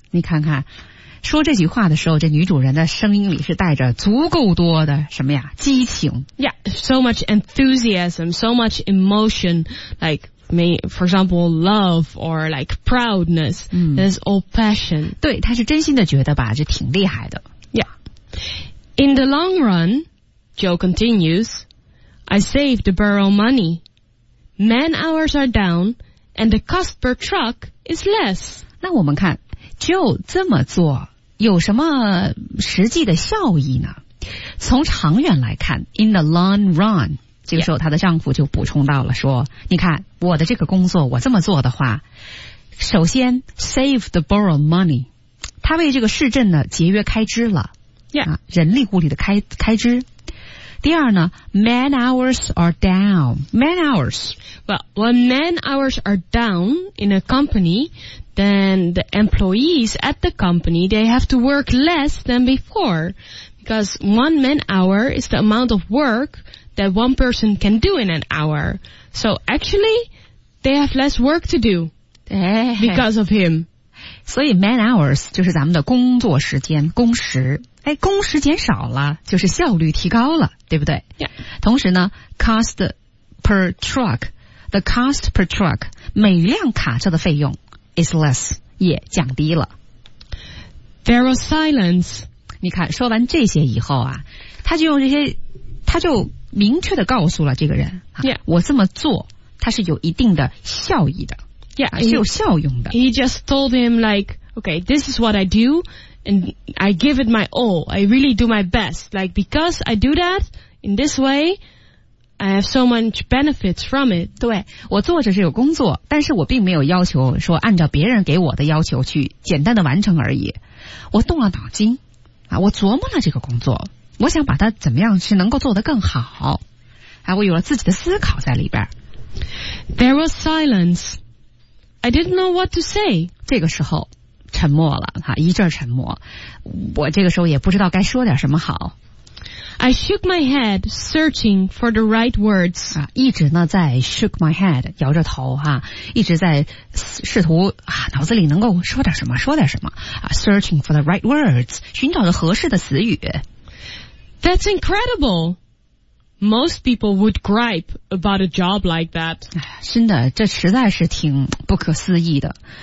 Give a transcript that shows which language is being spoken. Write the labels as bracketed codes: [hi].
[zh] 你看看，说这句话的时候，这女主人的声音里是带着足够多的什么呀？激情。 [en] Yeah, so much enthusiasm, so much emotion, like. For example, love or like proudness. There's all passion. [zh] 对，他是真心的觉得吧，这挺厉害的。 [en] Yeah. In the long run, Joe continues, I save the borough money. Man hours are down and the cost per truck is less. [zh] 那我们看 Joe 这么做有什么实际的效益呢？从长远来看 , [en] in the long run, [zh] 这个时候她的丈夫就补充到了说、yeah. 你看我的这个工作我这么做的话，首先 [en] save the borough money， [zh] 她为这个市镇呢节约开支了、 yeah. 啊、人力物力的开支。第二呢 [en] man hours are down， [zh] man hours， [en] well when man hours are down in a company then the employees at the company they have to work less than before because one man hour is the amount of workthat one person can do in an hour. So actually, they have less work to do because of him. [zh] 所以 man hours 就是咱们的工作时间，工时。哎，工时减少了，就是效率提高了，对不对？ [en] Yeah. [zh] 同时呢 [en] cost per truck, the cost per truck, [zh] 每辆卡车的费用 [en] is less, [zh] 也降低了。 [en] There was silence. [zh] 你看，说完这些以后啊，他就明确地告诉了这个人、啊 [en] yeah. [zh] 我这么做它是有一定的效益的 [en] yeah, [zh] 是有效用的。 [en] He just told him like, okay, this is what I do and I give it my all. I really do my best. Like, because I do that in this way, I have so much benefits from it. [zh] 对，我做着是有工作，但是我并没有要求说按照别人给我的要求去简单的完成而已。我动了脑筋、啊、我琢磨了这个工作，我想把它怎么样是能够做得更好、啊、我有了自己的思考在里边。 [en] There was silence. I didn't know what to say. [zh] 这个时候沉默了、啊、一阵沉默，我这个时候也不知道该说点什么好。 [en] I shook my head, searching for the right words. [zh] 啊，一直呢在 [en] shook my head， [zh] 摇着头哈、啊，一直在试图啊，脑子里能够说点什么，说点什么啊 ， [en] searching for the right words， [zh] 寻找着合适的词语。 [en] That's incredible. Most people would gripe about a job like that. [zh] 真的，这实在是挺不可思议的。